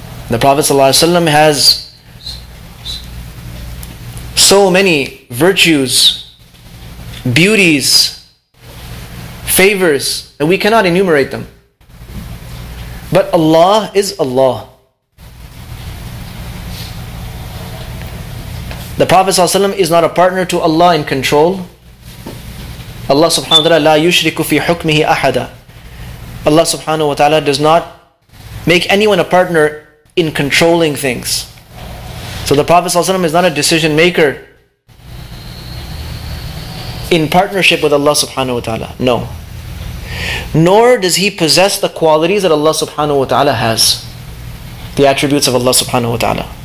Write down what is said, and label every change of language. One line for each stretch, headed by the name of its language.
English: The Prophet sallallahu alaihi wasallam has so many virtues, beauties, favors, and we cannot enumerate them. But Allah is Allah. The Prophet ﷺ is not a partner to Allah in control.
Arabic: Allah subhanahu wa ta'ala, لا يشرك في حكمه أحدا.
English: Allah subhanahu wa ta'ala does not make anyone a partner in controlling things. So the Prophet ﷺ is not a decision maker in partnership with Allah subhanahu wa ta'ala. No. Nor does he possess the qualities that Allah subhanahu wa ta'ala has, the attributes of Allah subhanahu wa ta'ala.